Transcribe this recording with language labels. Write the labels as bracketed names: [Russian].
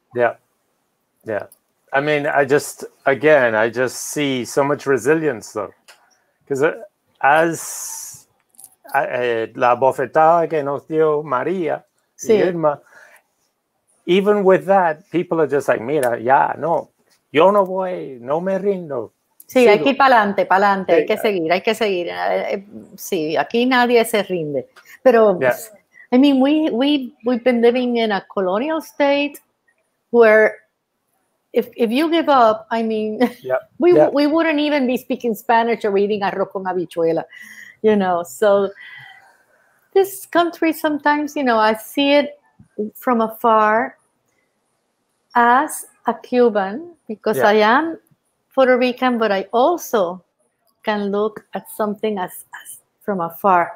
[English] Yeah, yeah. I mean, I just see so much resilience though, because [Spanish] La bofetada que nos dio María, sí. Irma. [English] Even with that, people are just like, [Spanish] mira, ya, no, yo no voy, no me rindo. Sí, sigo. Aquí pa'lante, pa'lante, hay que seguir, hay que seguir. Sí, aquí nadie se rinde. [English] Pero, yeah. I mean, we've been living in a colonial state where if you give up, I mean, we wouldn't even be speaking Spanish or eating arroz con habichuela, you know. So this country sometimes, you know, I see it from afar as a Cuban, because I am Puerto Rican, but I also can look at something as from afar.